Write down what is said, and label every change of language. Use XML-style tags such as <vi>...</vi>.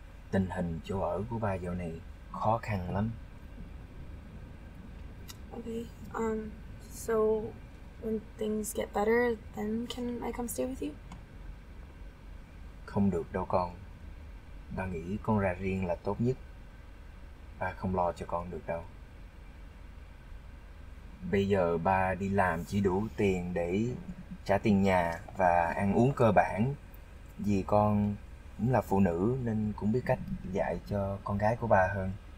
<vi>Tình hình chỗ ở của bà dạo này khó khăn lắm.</vi> <en>Okay, so when things get better, then can I come stay with you?</en> <vi>Không được đâu con. Bà nghĩ con ra riêng là tốt nhất. Bà không lo cho con được đâu. Bây giờ bà đi làm chỉ đủ tiền để trả tiền nhà và ăn uống cơ bản. Vì con cũng là phụ nữ nên cũng biết cách dạy cho con gái của bà hơn.</vi>